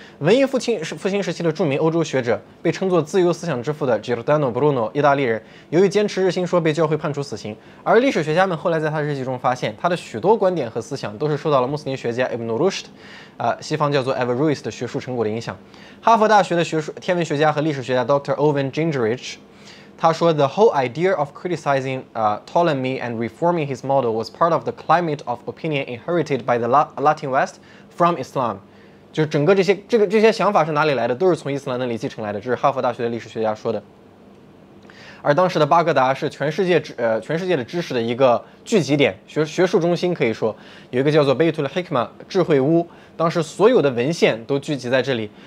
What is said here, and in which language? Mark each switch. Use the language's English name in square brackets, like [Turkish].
[Chinese] 文艺复兴时期的著名欧洲学者，被称作自由思想之父的 Giordano Bruno， 意大利人，由于坚持日心说被教会判处死刑。而历史学家们后来在他日记中发现，他的许多观点和思想都是受到了穆斯林学家 Ibn Rushd，西方叫做 Averroes 的学术成果的影响。哈佛大学的天文学家和历史学家 Dr. [English] Owen Gingerich， [Chinese] 他说 [English] The whole idea of criticizing Ptolemy and reforming his model was part of the climate of opinion inherited by the Latin West from Islam。 [Chinese] 就是整个这些想法是哪里来的，都是从伊斯兰那里继承来的，这是哈佛大学的历史学家说的。而当时的巴格达是全世界的知识的一个聚集点，学术中心，可以说有一个叫做 Baytul Hikma 智慧屋，当时所有的文献都聚集在这里。